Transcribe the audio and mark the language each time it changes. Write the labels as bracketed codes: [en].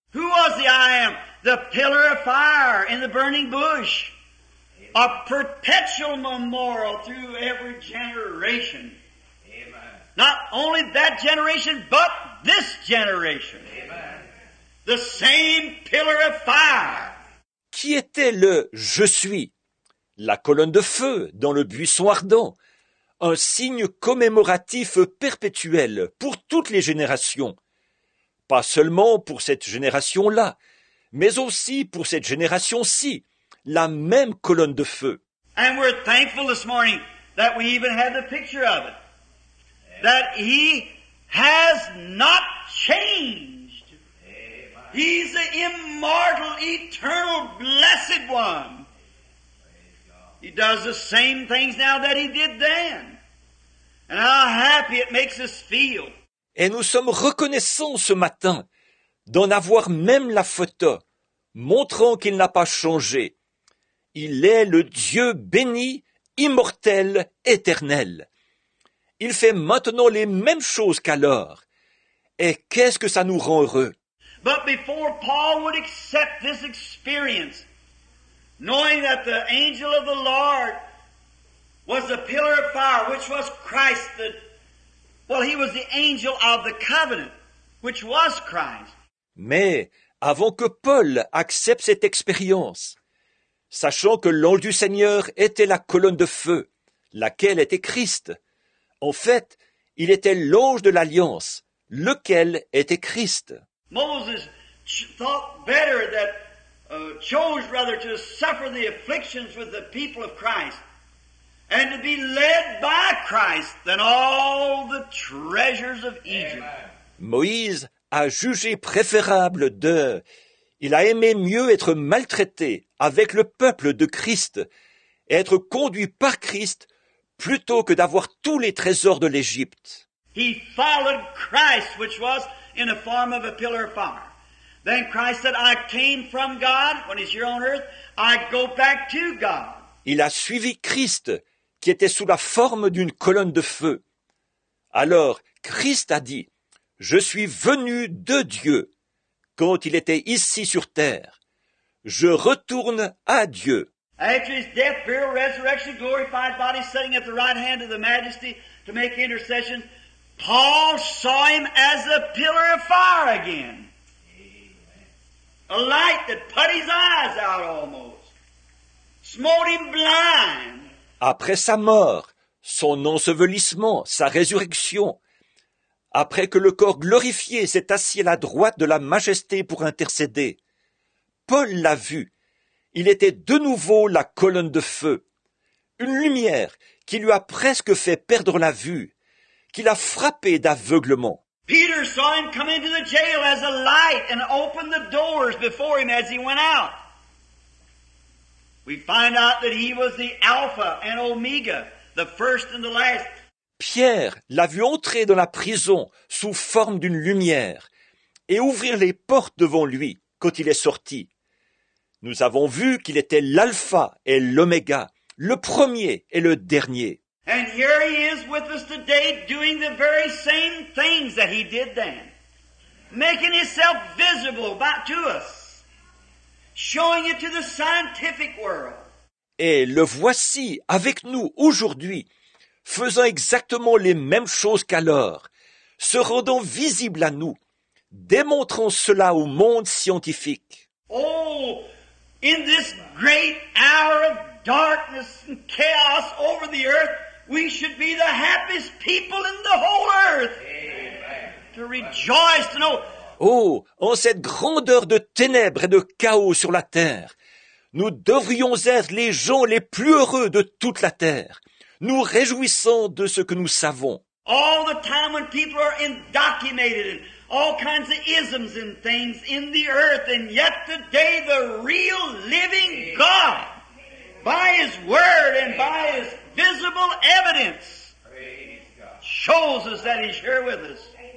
[en] Who was the I am? The pillar of fire in the burning bush. A perpetual memorial through every generation. Amen. Not only that generation, but this generation. Amen. The same pillar of fire. [fr] Qui était le « je suis » La colonne de feu dans le buisson ardent, un signe commémoratif perpétuel pour toutes les générations. Pas seulement pour cette génération-là, mais aussi pour cette génération-ci, la même colonne de feu. [en] And we're thankful this morning that we even have the picture of it. That he has not changed. He's the immortal, eternal, blessed one. He does the same things now that he did then. And how happy it makes us feel. [fr] Et nous sommes reconnaissants ce matin d'en avoir même la photo, montrant qu'il n'a pas changé. Il est le Dieu béni, immortel, éternel. Il fait maintenant les mêmes choses qu'alors. Et qu'est-ce que ça nous rend heureux? [en] But before Paul would accept this experience, knowing that the angel of the Lord was the pillar of fire, which was Christ, he was the angel of the covenant, which was Christ. [fr] Mais avant que Paul accepte cette expérience, sachant que l'ange du Seigneur était la colonne de feu, laquelle était Christ, en fait, il était l'ange de l'Alliance, lequel était Christ. [en] Moses thought better that chose rather to suffer the afflictions with the people of Christ and to be led by Christ than all the treasures of Egypt. Amen. [fr] Moïse a jugé préférable de... Il a aimé mieux être maltraité avec le peuple de Christ et être conduit par Christ plutôt que d'avoir tous les trésors de l'Égypte. [en] He followed Christ, which was in the form of a pillar of fire. Then Christ said, I came from God, when he's here on earth, I go back to God. [fr] Il a suivi Christ, qui était sous la forme d'une colonne de feu. Alors, Christ a dit, je suis venu de Dieu, quand il était ici sur terre. Je retourne à Dieu. [en] After his death, burial, resurrection, glorified body, sitting at the right hand of the majesty to make intercession, Paul saw him as a pillar of fire again. A light that put his eyes out almost. Smote him blind. [fr] Après sa mort, son ensevelissement, sa résurrection, après que le corps glorifié s'est assis à la droite de la majesté pour intercéder, Paul l'a vu. Il était de nouveau la colonne de feu. Une lumière qui lui a presque fait perdre la vue, qui l'a frappé d'aveuglement. [en] Peter saw him come into the jail as a light and open the doors before him as he went out. We find out that he was the Alpha and Omega, the first and the last. [fr] Pierre l'a vu entrer dans la prison sous forme d'une lumière et ouvrir les portes devant lui quand il est sorti. Nous avons vu qu'il était l'Alpha et l'Oméga, le premier et le dernier. [en] And here he is with us today doing the very same things that he did then. Making himself visible to us. Showing it to the scientific world. [fr] Et le voici avec nous aujourd'hui, faisant exactement les mêmes choses qu'alors, se rendant visible à nous, démontrant cela au monde scientifique. [en] Oh, in this great hour of darkness and chaos over the earth, we should be the happiest people in the whole earth. Amen. To rejoice to know. [fr] Oh, en cette grandeur de ténèbres et de chaos sur la terre, nous devrions être les gens les plus heureux de toute la terre, nous réjouissant de ce que nous savons. [en] All the time when people are indoctrinated and all kinds of isms and things in the earth, and yet today the real living God, by his word and by his visible evidence, shows us that he's here with us.